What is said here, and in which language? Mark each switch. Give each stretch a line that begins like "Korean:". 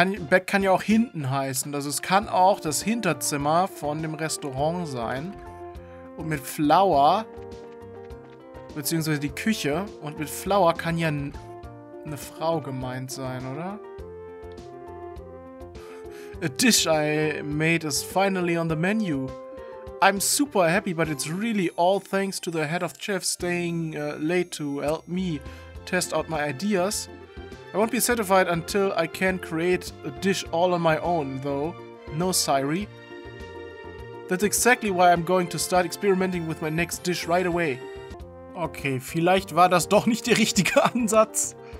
German: Back kann ja auch hinten heißen. Also es kann auch das Hinterzimmer von dem Restaurant sein. Und mit Flower, beziehungsweise die Küche, und mit Flower kann ja eine Frau gemeint sein, oder?
English: A dish I made is finally on the menu. I'm super happy, but it's really all thanks to the head of chef staying late to help me test out my ideas. I won't be satisfied until I can create a dish all on my own, though. No, Siri. That's exactly why I'm going to start experimenting with my next dish right away.
German: Okay, vielleicht war das doch nicht der richtige Ansatz.